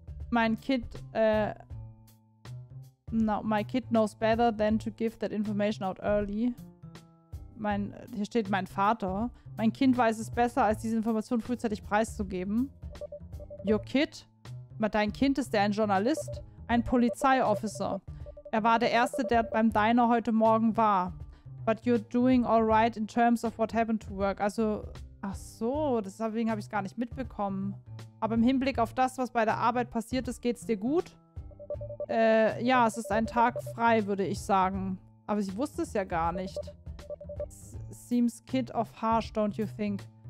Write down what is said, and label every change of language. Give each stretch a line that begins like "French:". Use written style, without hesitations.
English: My kid knows better than to give that information out early.
German: Hier steht mein Vater. Mein Kind weiß es besser, als diese Information frühzeitig preiszugeben.
English: Your kid?
German: Dein Kind, ist der ein Journalist? Ein Polizeiofficer. Er war der Erste, der beim Diner heute Morgen war.
English: But you're doing all right in terms of what happened to work.
German: Also, ach so, deswegen habe ich es gar nicht mitbekommen. Aber im Hinblick auf das, was bei der Arbeit passiert ist, geht es dir gut? Ja, es ist ein Tag frei, würde ich sagen. Aber ich wusste es ja gar nicht.
English: Seems kind of harsh, don't you think?